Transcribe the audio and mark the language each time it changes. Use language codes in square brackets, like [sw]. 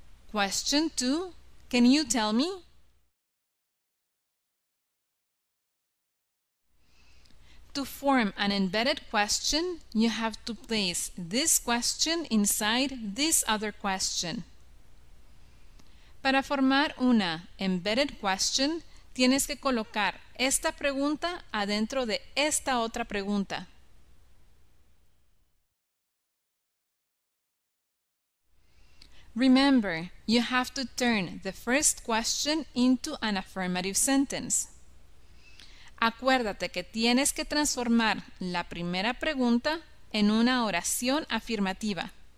[en] Question 2, can you tell me? To form an embedded question, you have to place this question inside this other question. [es] Para formar una embedded question, tienes que colocar esta pregunta adentro de esta otra pregunta. [en] Remember, you have to turn the first question into an affirmative sentence. [es] Acuérdate que tienes que transformar la primera pregunta en una oración afirmativa.